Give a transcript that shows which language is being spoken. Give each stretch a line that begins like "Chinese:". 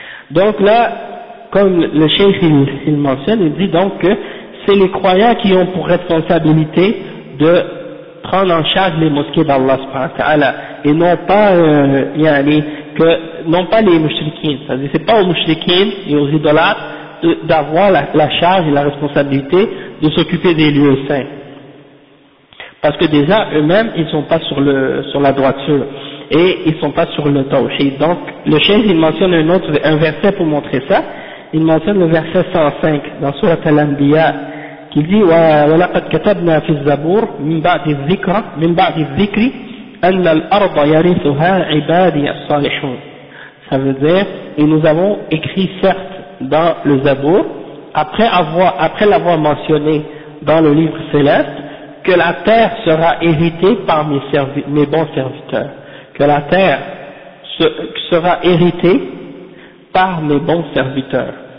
French: Donc là, comme le cheikh il mentionne, il dit donc que c'est les croyants qui ont pour responsabilité de prendre en charge les mosquées d'Allah subhanahu wa ta'ala, et non pas les mushrikines, c'est-à-dire c'est pas aux mushrikines et aux idolâtres d'avoir la charge et la responsabilité de s'occuper des lieux saints. Parce que déjà, eux-mêmes, ils sont pas sur la droiture. Et ils sont pas sur le tawhid. Donc, le cheikh, il mentionne un verset pour montrer ça. Il mentionne le verset 105 dans Sourate Al-Anbiya, qui dit,
Arabic: وَلَقَدْ كَتَبْنَا فِي الزَّبُورِ مِنْ بَعْدِ الذِّكْرِ أَنَّ الْأَرْضَ يَرِثُهَا عِبَادِي الصَّالِحُونَ.
French: Ça veut dire, et nous avons écrit certes dans le Zabour, après l'avoir mentionné dans le livre céleste, que la terre sera héritée par mes bons serviteurs. Que la terre sera héritée par mes bons serviteurs.